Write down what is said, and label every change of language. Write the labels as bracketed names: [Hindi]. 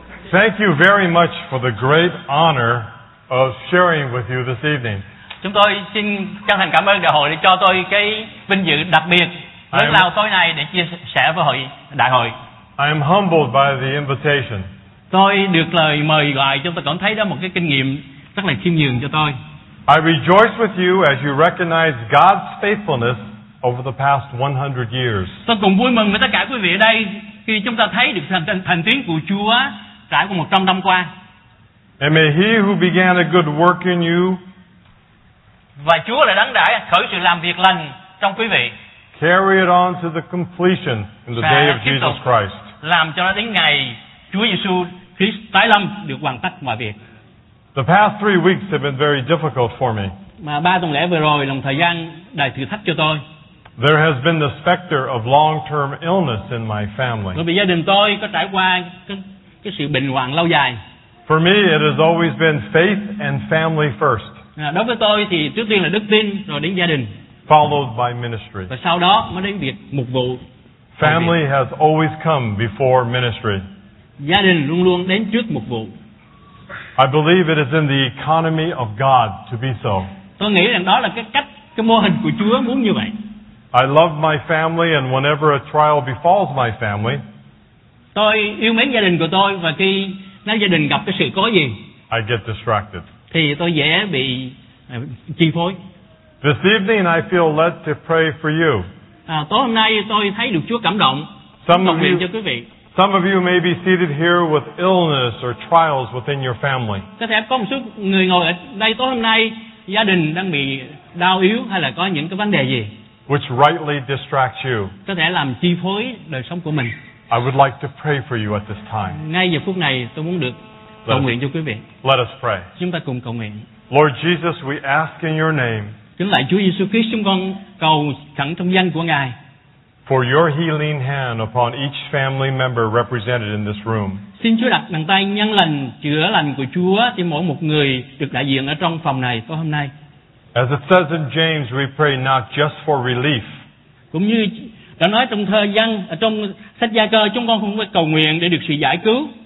[English] Thank you very much for the great honor of sharing with you this evening. [Vietnamese] Chúng tôi xin chân thành cảm ơn đại hội để cho tôi cái vinh dự đặc biệt lớn lao tối nay để chia sẻ với hội đại hội. [English] I am humbled by the invitation. [Vietnamese] Tôi được lời mời gọi, chúng tôi cảm thấy đó một cái kinh nghiệm rất là khiêm nhường cho tôi. [English] I rejoice with you as you recognize God's faithfulness over the past 100 years. [Vietnamese] Tôi cùng vui mừng với tất cả quý vị ở đây khi chúng ta thấy được thành tiến của Chúa. [English] And may He who began a good work in you, [Vietnamese] và Chúa là đấng đã khởi sự làm việc lành trong quý vị, [English] carry it on to the completion in the day of Jesus Christ. [Vietnamese] Làm cho nó đến ngày Chúa Giêsu Christ tái lâm được hoàn tất mọi việc. [English] The past 3 weeks have been very difficult for me. [Vietnamese] Mà ba tuần lễ vừa rồi là một thời gian đầy thử thách cho tôi. [English] There has been the specter of long-term illness in my family. [Vietnamese] Bởi vì gia đình tôi có trải qua cái sự bệnh hoạn lâu dài. [English] For me, it has always been faith and family first. [Vietnamese] Đối với tôi thì trước tiên là đức tin, rồi đến gia đình. [English] Followed by ministry. [Vietnamese] Và sau đó mới đến việc mục vụ. [English] Family has always come before ministry. [Vietnamese] Gia đình luôn luôn đến trước mục vụ. [English] I believe it is in the economy of God to be so. [Vietnamese] Tôi nghĩ rằng đó là cái cách, cái mô hình của Chúa muốn như vậy. [English] I love my family, and whenever a trial befalls my family, [Vietnamese] tôi yêu mến gia đình của tôi, và khi nếu gia đình gặp cái sự cố gì, [English] I get distracted. [Vietnamese] Thì tôi dễ bị chi phối. [English] This evening I feel led to pray for you. [Vietnamese] Tối hôm nay tôi thấy được Chúa cảm động, cầu nguyện cho quý vị. [English] Some of you may be seated here with illness or trials within your family. [Vietnamese] Có thể có một số người ngồi ở đây tối hôm nay gia đình đang bị đau yếu hay là có những cái vấn đề gì, [English] which rightly distracts you. [Vietnamese] Có thể làm chi phối đời sống của mình. [English] I would like to pray for you at this time. [Vietnamese] Ngay giờ phút này tôi muốn được cầu nguyện cho quý vị. [English] Let us pray. [Vietnamese] Chúng ta cùng cầu nguyện. [English] Lord Jesus, we ask in your name. [Vietnamese] Kính lạy Chúa Giêsu Christ, chúng con cầu khẩn trong danh của Ngài. [English] For your healing hand upon each family member represented in this room. [Vietnamese] Xin Chúa đặt bàn tay nhân lành chữa lành của Chúa trên mỗi một người được đại diện ở trong phòng này tối hôm nay. [English] As it says in James, we pray not just for relief. [Vietnamese] Cũng như đã nói trong thơ văn, trong sách Gia Cơ, chúng con không phải cầu nguyện để được sự giải cứu.